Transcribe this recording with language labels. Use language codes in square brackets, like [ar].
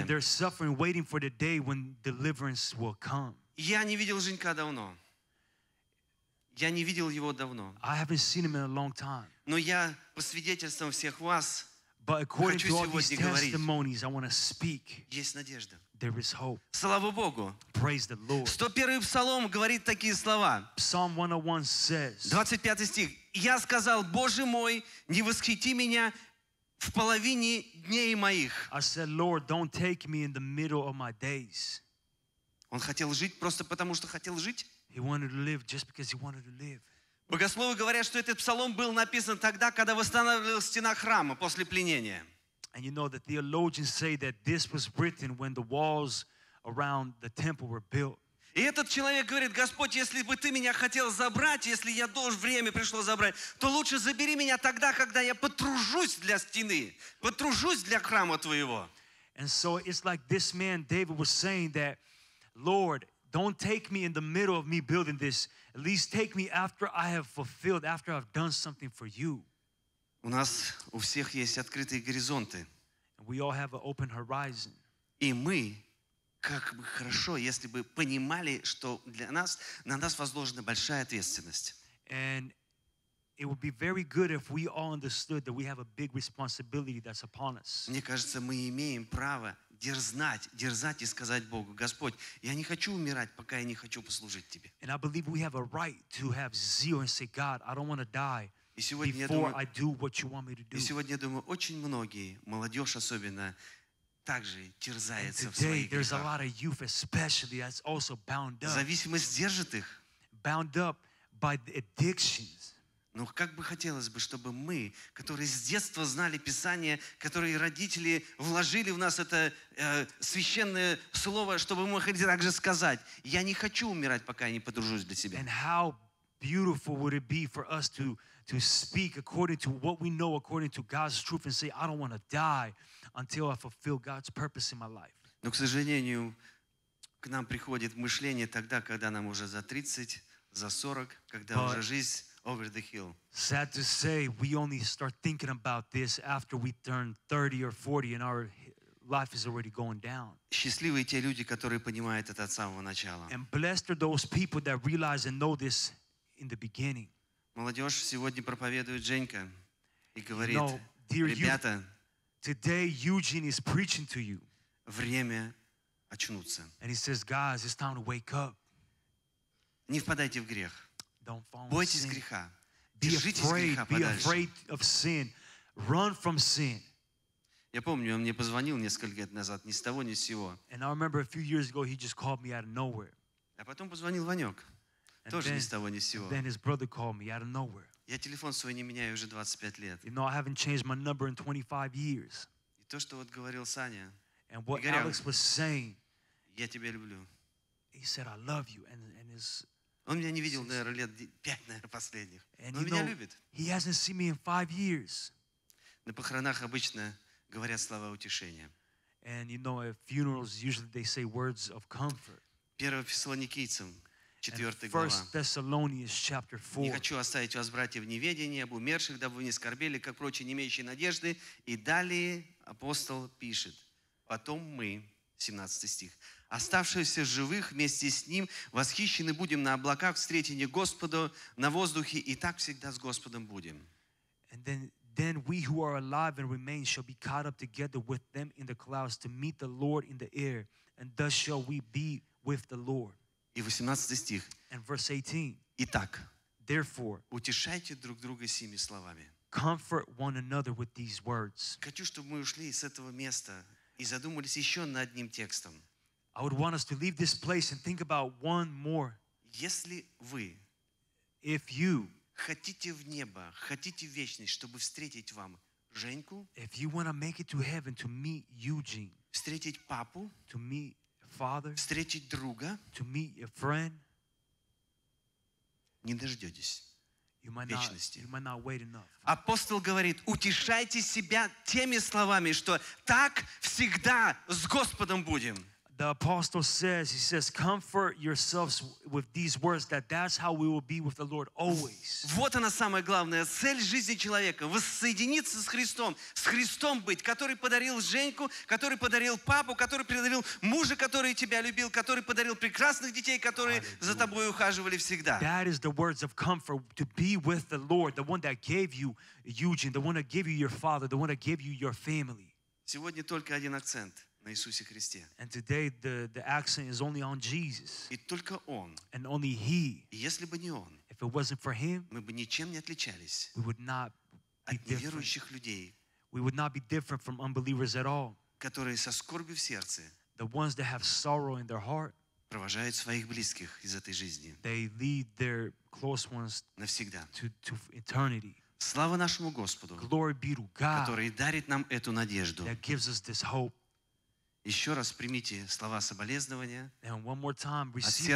[en] And they're suffering, waiting for the day when deliverance will come. [ru] Я не видел Женька давно. Я не видел его давно. [en] I haven't seen him in a long time. [ru] Но я по свидетельствам всех вас. [en] But according to all these testimonies, I want to speak. [ru] Есть надежда. [en] There is hope. [ru] Слава Богу. [en] Praise the Lord. [ru] 101 Псалом говорит такие слова. [en] Psalm 101 says. [ru] 25 стих. Я сказал, Боже мой, не восхити меня в половине дней моих. [en] I said, Lord, don't take me in the middle of my days. [ru] Он хотел жить просто потому, что хотел жить. [en] He wanted to live just because he wanted to live. [ru] Богословы говорят, что этот псалом был написан тогда, когда восстанавливалась стена храма после пленения. [en] And you know, the theologians say that this was written when the walls around the temple were built. [ru] И этот человек говорит: Господь, если бы ты меня хотел забрать, если я должен, время пришло забрать, то лучше забери меня тогда, когда я потружусь для стены, потружусь для храма твоего. [en] And so it's like this man David was saying that, Lord, don't take me in the middle of me building this. At least take me after I have fulfilled, after I've done something for you. [ru] У нас у всех есть открытые горизонты. [en] And we all have an open horizon. [ru] И мы, как бы хорошо, если бы понимали, что для нас, на нас возложена большая ответственность. [en] And it would be very good if we all understood that we have a big responsibility that's upon us. [ru] Мне кажется, мы имеем право дерзать и сказать Богу: Господь, я не хочу умирать, пока я не хочу послужить Тебе. [en] And I believe we have a right to have zeal and say, God, I don't want to die. [ru] И сегодня, я думаю, очень многие, молодежь особенно, также терзается в своих грехах. [en] Today there's a lot of youth especially that's also bound up. [ru] Зависимость держит их. [en] Bound up by the addictions. [ru] Но как бы хотелось бы, чтобы мы, которые с детства знали Писание, которые родители вложили в нас это священное слово, чтобы мы могли также сказать: я не хочу умирать, пока я не подружусь для себя. [en] And how beautiful would it be for us to speak according to what we know, according to God's truth, and say, I don't want to die until I fulfill God's purpose in my life. [ru] Но, к сожалению, к нам приходит мышление тогда, когда нам уже за 30, за 40, когда уже жизнь [en] over the hill. Sad to say, we only start thinking about this after we turn 30 or 40 and our life is already going down. [ru] Счастливы те люди, которые понимают это от самого начала. [en] And blessed are those people that realize and know this in the beginning. [ru] Молодежь сегодня проповедует Женька и говорит: ребята, [en] today Eugene is preaching to you. [ru] Время очнуться. [en] And he says, guys, it's time to wake up. [ru] Не впадайте в грех. [en] Don't fall in [ru] Бойтесь [en] sin. [ru] Греха. [en] Be [ru] Держитесь [en] afraid, [ru] греха [en] be [ru] подальше. [en] Afraid of sin. Run from sin. [ru] Я помню, он мне позвонил несколько лет назад, ни с того, ни с сего. [en] And I remember a few years ago he just called me out of nowhere. [ru] А потом позвонил Ванек. Тоже ни с того, ни с сего. [en] Then his brother called me out of nowhere. [ru] Я телефон свой не меняю уже 25 лет. [en] You know, I haven't changed my number in 25 years. [ru] И то, что вот говорил Саня. [en] And what [ru] Игорян, [en] Alex was saying. [ru] Я тебя люблю. [en] He said, I love you. And his... [ru] Он меня не видел, наверное, лет 5, наверное, последних. Но он меня любит. [en] He hasn't seen me in 5 years. [ru] На похоронах обычно говорят слова утешения. [en] And you know, at funerals, usually they say words of comfort. [ru] 1 Фессалоникийцам. 4 глава. Не хочу оставить вас, братья, в неведении об умерших, дабы вы не скорбели, как прочие, не имеющие надежды. И далее апостол пишет: потом мы, 17 стих, оставшиеся живых вместе с ним, восхищены будем на облаках, встретине Господа, на воздухе, и так всегда с Господом будем. [en] Then we who are alive and remain shall be caught up together with them in the clouds to meet the Lord in the air, and thus shall we be with the Lord. [ru] И 18 стих. [en] And verse 18. [ru] Итак, [en] therefore, [ru] утешайте друг друга сими словами. [en] Comfort one another with these words. [ru] Хочу, чтобы мы ушли с этого места и задумались еще над одним текстом. [en] I would want us to leave this place and think about one more. [ru] Если вы, [en] if you, [ru] хотите в небо, хотите в вечность, чтобы встретить вам Женьку, [en] if you want to make it to heaven to meet Eugene, [ru] встретить папу, [en] to meet Father, [ru] встретить друга, [en] to meet a friend, [ru] не дождетесь вечности. [en] You might not wait enough. [ru] Апостол говорит: утешайте себя теми словами, что так всегда с Господом будем. [en] The apostle says, he says, comfort yourselves with these words, that's how we will be with the Lord always. [ru] Вот она самая главная цель жизни человека: воссоединиться с Христом быть, который подарил Женьку, который подарил папу, который подарил мужа, который тебя любил, который подарил прекрасных детей, которые за тобой ухаживали всегда. [en] That is the words of comfort, to be with the Lord, the one that gave you Eugene, the one that gave you your father, the one that gave you your family. [ru] Сегодня только один акцент. На Иисусе Христе. [en] And today the accent is only on Jesus. [ru] И только Он. [en] And only He. [ru] Если бы не Он, [en] if it wasn't for Him, [ru] мы бы ничем не отличались. [en] We would not be [ru] от неверующих людей. [en] We would not be different from unbelievers at all. [ru] Которые со скорбью в сердце. [en] The ones that have sorrow in their heart. [ru] Провожают своих близких из этой жизни. [en] They lead their close ones [ru] навсегда. [en] To eternity. [ru] Слава нашему Господу, [en] God, [ru] который дарит нам эту надежду. [en] That gives us this hope. [ru] Еще раз примите слова соболезнования [en] and one more time, receive